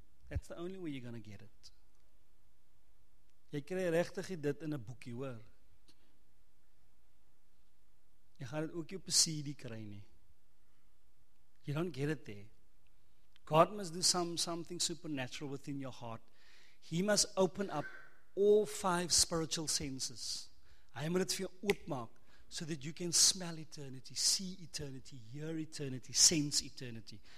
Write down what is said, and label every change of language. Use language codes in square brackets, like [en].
[en] That's the only way you're going to get it. [af] Jy kry regtig dit in 'n boekie, hoor. Jy gaan dit ook op 'n CD kry nie. [en] You don't get it there. God must do something supernatural within your heart. He must open up all five spiritual senses. [af] Hy moet dit vir jou oopmaak, [en] so that you can smell eternity, see eternity, hear eternity, sense eternity.